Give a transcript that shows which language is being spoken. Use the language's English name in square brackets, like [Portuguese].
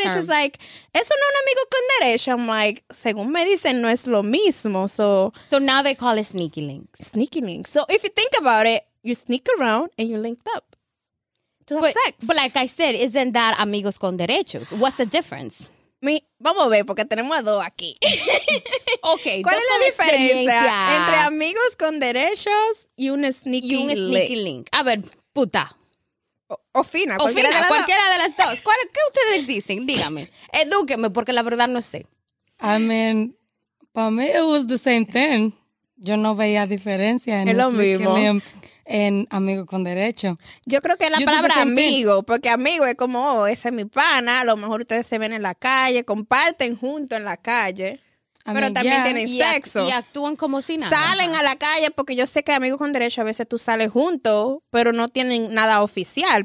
[English] she's like, [Spanish] eso no es un amigo con derecho. [English] I'm like, [Spanish] según me dicen, no es lo mismo. So [English] now they call it sneaky link. Sneaky link. So if you think about it, you sneak around and you're linked up to have sex. But like I said, isn't that [Spanish] amigos con derechos? [English] What's the difference? [Spanish] Vamos a ver, porque tenemos a dos aquí. [English] Okay, [Spanish] ¿cuál es la diferencia entre amigos con derechos y un sneaky link? Y un sneaky link. A ver, puta. O fina, cualquiera de las dos. ¿Qué ustedes dicen? Dígame. Edúqueme, porque la verdad no sé. [English] I mean, [Spanish] para mí [English] it was the same thing. [Spanish] Yo no veía diferencia en lo mismo. En amigo con derecho. Yo creo que la palabra amigo, porque amigo es como, oh, ese es mi pana. A lo mejor ustedes se ven en la calle, comparten juntos en la calle. Pero también tienen sexo. Y actúan como si nada. Salen a la calle, porque yo sé que amigos con derecho a veces tú sales juntos, pero no tienen nada oficial.